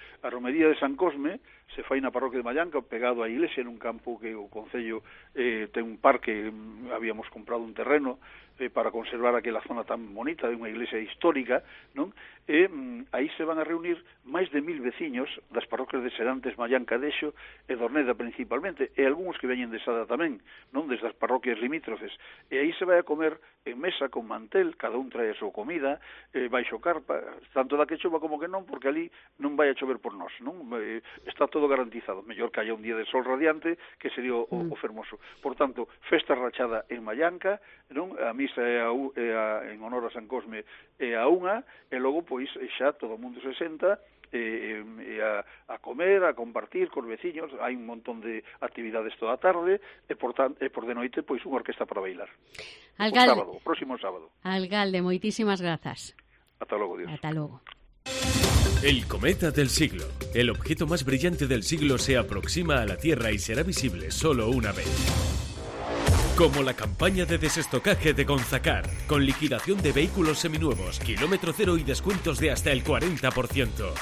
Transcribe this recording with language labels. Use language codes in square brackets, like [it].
[gl] A Romería de San Cosme se fai na parroquia de Maianca, pegado á iglesia, nun campo que o concello ten un parque, habíamos comprado un terreno para conservar aquela zona tan bonita de unha iglesia histórica, non? E aí se van a reunir máis de 1000 veciños das parroquias de Serantes, Maianca, Deixo e Dorneda principalmente, e algúns que veñen de Sada tamén, non? Desde as parroquias limítrofes. E aí se vai a comer en mesa con mantel, cada un trae a súa comida, baixo carpa, tanto da que chova como que non, porque ali non vai a chover por nós, non? Está todo garantizado, mellor que haya un día de sol radiante, que sería o fermoso. Por tanto, festa rachada en Maianca, non? A misa en honor a San Cosme é a unha, e logo pois xa todo o mundo se senta a comer, a compartir cos veciños, hai un montón de actividades toda a tarde e por de noite pois unha orquesta para bailar. Alcalde, o próximo sábado. Alcalde, moitísimas grazas. Ata logo, Dios. Ata logo. [es] El cometa del siglo. El objeto más brillante del siglo se aproxima a la Tierra y será visible solo una vez. Como la campaña de desestocaje de Gonzacar, con liquidación de vehículos seminuevos, kilómetro cero y descuentos de hasta el 40%.